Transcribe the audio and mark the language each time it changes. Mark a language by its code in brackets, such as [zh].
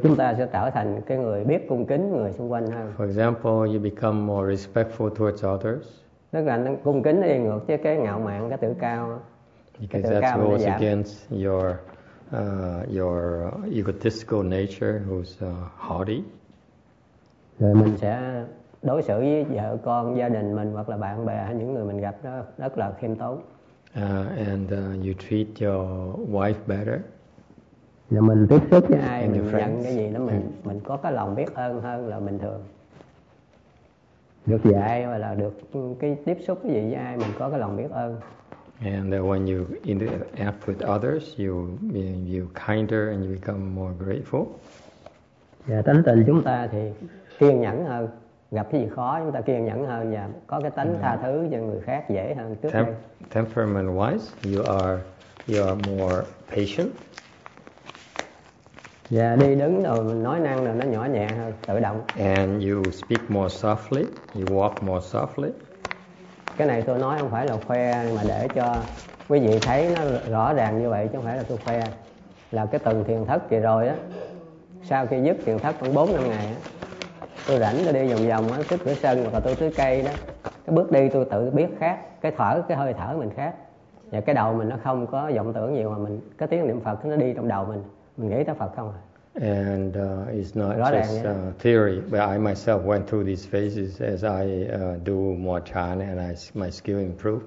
[vi] chúng ta sẽ trở thành cái người biết cung kính người xung quanh hơn. [en] For example, you become more respectful towards others. [vi] Tức là cung kính đi ngược chứ cái ngạo mạn, cái tự cao. [en] Because [vi] tự cao [en] goes against your egotistical nature who's haughty. [vi] Rồi mình sẽ đối xử với vợ con, gia đình mình hoặc là bạn bè, những người mình gặp đó rất là khiêm tốn. [en] You treat your wife better. [vi] Rồi mình tiếp xúc với ai, mình [en] friends. [vi] Nhận cái gì đó, mình có cái lòng biết ơn hơn là bình thường. Được dạy hoặc là được cái tiếp xúc cái gì với ai, mình có cái lòng biết ơn. [en] And when you interact with others, you kinder and you become more grateful. [vi] Và tánh tình chúng ta thì kiên nhẫn hơn, gặp cái gì khó chúng ta kiên nhẫn hơn và có cái tánh tha thứ cho người khác dễ hơn trước đây. [en] Temperament wise, you are more patient. [vi] Và đi đứng rồi nói năng rồi nó nhỏ nhẹ hơn, tự động. [en] And you speak more softly, you walk more softly. [vi] Cái này tôi nói không phải là khoe mà để cho quý vị thấy nó rõ ràng như vậy chứ không phải là tôi khoe. Là cái tuần thiền thất kỳ rồi á, sau khi dứt thiền thất khoảng 4-5 ngày á, tôi rảnh tôi đi vòng vòng á, tới cửa sân hoặc là tôi tới cây đó, cái bước đi tôi tự biết khác, cái thở, cái hơi thở mình khác. Và cái đầu mình nó không có vọng tưởng nhiều mà mình cái tiếng niệm Phật nó đi trong đầu mình. Mình nghĩ tới Phật không à. [en] And it's not rõ just theory, but I myself went through these phases as I do more chan and my skill improve.